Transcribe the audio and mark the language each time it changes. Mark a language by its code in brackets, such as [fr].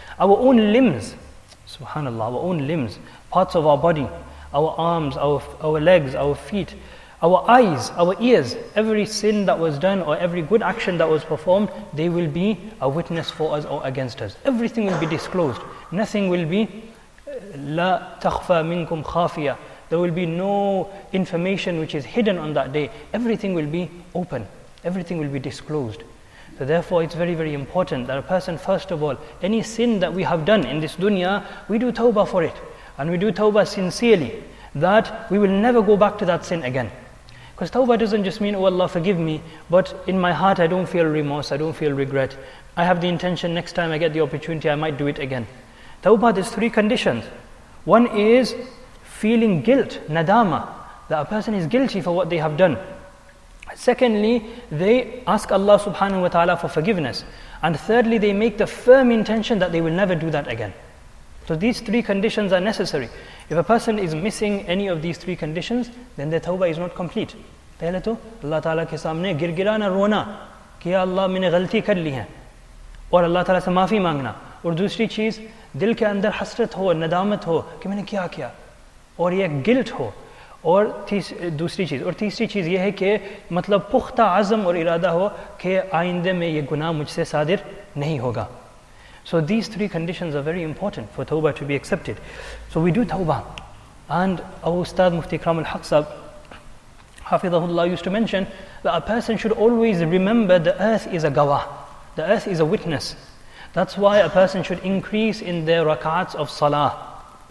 [en] Our own limbs, Subhanallah, our own limbs, parts of our body, our arms, our legs, our feet, our eyes, our ears, every sin that was done or every good action that was performed, they will be a witness for us or against us. Everything will be disclosed. Nothing will be [ar] لا تخفى منكم خافية. [en] There will be no information which is hidden on that day. Everything will be open. Everything will be disclosed. So therefore it's very, very important that a person, first of all, any sin that we have done in this dunya, we do tawbah for it. And we do tawbah sincerely, that we will never go back to that sin again. Because tawbah doesn't just mean, oh Allah, forgive me, but in my heart I don't feel remorse, I don't feel regret. I have the intention next time I get the opportunity, I might do it again. Tawbah, there's three conditions. One is feeling guilt, nadama, that a person is guilty for what they have done. Secondly, they ask Allah subhanahu wa ta'ala for forgiveness. And thirdly, they make the firm intention that they will never do that again. So these three conditions are necessary. If a person is missing any of these three conditions, then their tawbah is not complete. [ur] Pehle to Allah ta'ala ke samne gir girana rona. کہ یا اللہ میں نے غلطی کر لی ہے اور اللہ تعالیٰ سے معافی مانگنا, اور دوسری چیز دل کے اندر حسرت ہو, ندامت ہو کہ میں نے کیا کیا, اور یہ گلٹ ہو, اور تیسری چیز یہ ہے کہ مطلب پختہ عزم اور ارادہ ہو کہ آئندہ میں یہ گناہ مجھ سے صادر نہیں ہوگا. [en] So these three conditions are very important for tawbah to be accepted. So we do tawbah. And our Ustad Mufti Ikram al-Haq Sahib, Hafidhahullah, used to mention that a person should always remember the earth is a gawah. The earth is a witness. That's why a person should increase in their rakats of salah.